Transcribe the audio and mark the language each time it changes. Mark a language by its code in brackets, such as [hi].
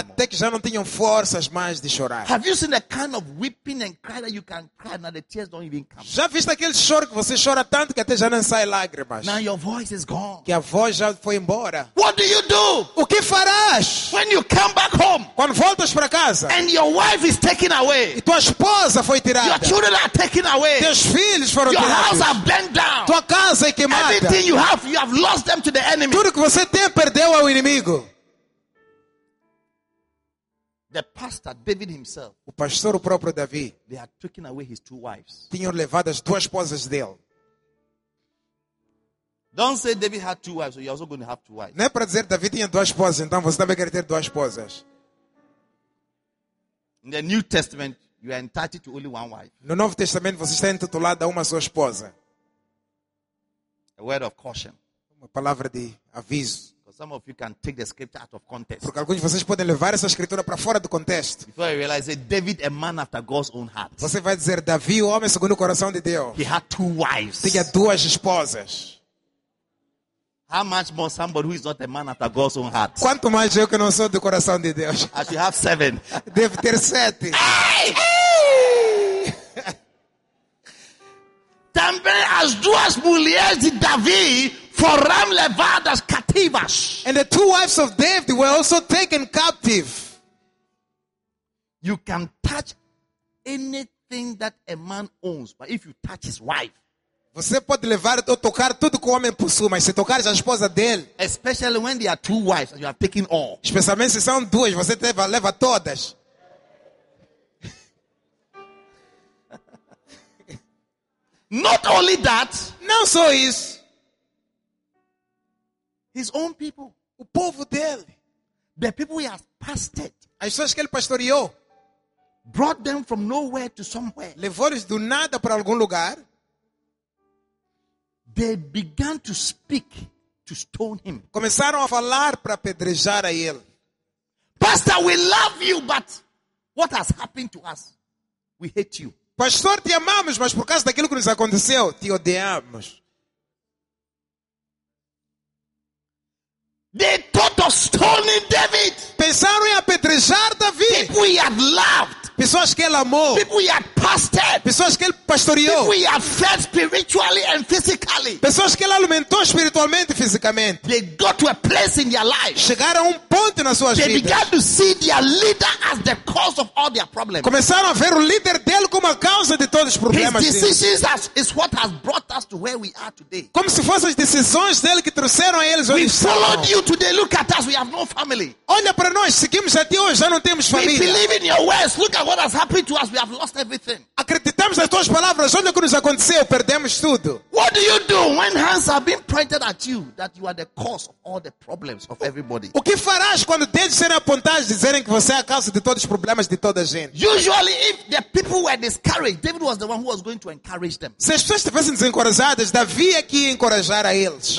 [pt] Até que já não tenham forças mais de chorar. [en] Have you seen the kind of weeping and cry that you can cry and the tears don't even come? [pt] Já viste aquele choro que você chora tanto que até já não sai lágrimas? [en] Now your voice is gone. [pt] Que a voz já foi embora. [en] What do you do? [pt] O que farás? [en] When you come back home. [pt] Quando voltas para casa. [en] And your wife is taken away. [pt] E tua esposa foi tirada. [en] Your children are taken away. [pt] Teus filhos foram [en] your [pt] tirados. [en] Your house are burned down. [pt] Tua casa é queimada. [en] Everything you have lost them to the enemy. [pt] Tudo que você tem perdeu ao inimigo. [en] The pastor David himself. [pt] O pastor, o próprio Davi. [en] They had taken away his two wives. [pt] Tinham levado as duas esposas dele. [en] Don't say David had two wives, so you're also going to have two wives. [pt] Não é para dizer David tinha duas esposas, então você também quer ter duas esposas. [en] In the New Testament, you are entitled to only one wife. [pt] No Novo Testamento, você está entitulado a uma só esposa. [en] A word of caution. [pt] Uma palavra de aviso. [en] Some of you can take the scripture out of context. [pt] Porque alguns de vocês podem levar essa escritura para fora do contexto. [en] Before you realize it, David, a man after God's own heart. [pt] Você vai dizer Davi, o homem segundo o coração de Deus. [en] He had two wives. [pt] Tinha duas esposas. [en] How much more somebody who is not a man after God's own heart? [pt] Quanto mais eu que não sou do coração de Deus. [en] I should have seven. [pt] Deve ter sete. [en] Hey! [pt] Também as duas mulheres de Davi foram levadas cativas. [en] And the two wives of David were also taken captive. You can touch anything that a man owns, but if you touch his wife. [pt] Você pode levar ou tocar tudo que o homem possui, mas se tocar a esposa dele. [en] Especially when there are two wives and you are taking all. [pt] Especialmente se são duas, você leva todas. [en] Not only that. [pt] Não só isso. [en] His own people. [pt] O povo dele. [en] The people he has pastored. [pt] As pessoas que ele pastoreou. [en] Brought them from nowhere to somewhere. [pt] Levou-os do nada para algum lugar. [en] They began to speak to stone him. [pt] Começaram a falar para apedrejar a ele. [en] Pastor, we love you, but what has happened to us? We hate you. [pt] Pastor, te amamos, mas por causa daquilo que nos aconteceu, te odiamos. [en] They thought of stoning David. [pt] Pensaram em apedrejar Davi. [en] People he had loved. [pt] Pessoas que ele amou. [en] People he had pastored. [pt] Pessoas que ele pastoreou. [en] People he had fed spiritually and physically. [pt] Pessoas que ele alimentou espiritualmente e fisicamente. [en] They got to a place in their life. [pt] Chegaram a ponto nas suas [en] they [pt] vidas. [en] Began to see their leader as the cause of all their problems. [pt] Começaram a ver o líder dele como a causa de todos os problemas. [en] His decisions is what has brought us to where we are today. [pt] Como se fossem as decisões dele que trouxeram a eles hoje. [en] We followed you today. Look at us. We have no family. [pt] Olha para nós. Seguimos a ti hoje. Já não temos família. [en] We believe in your words. Look at what has happened to us. We have lost everything. [pt] Acreditamos nas tuas palavras. Olha o que nos aconteceu. Perdemos tudo. [en] What do you do when hands are being pointed at you that you are the cause of all the problems of everybody? [pt] O que farás quando dedos serem apontados dizerem que você é a causa de todos os problemas de toda a gente? [en] Usually if the people were discouraged, David was the one who was going to encourage them. [pt] Se as pessoas estivessem desencorajadas, Davi é que ia encorajar a eles.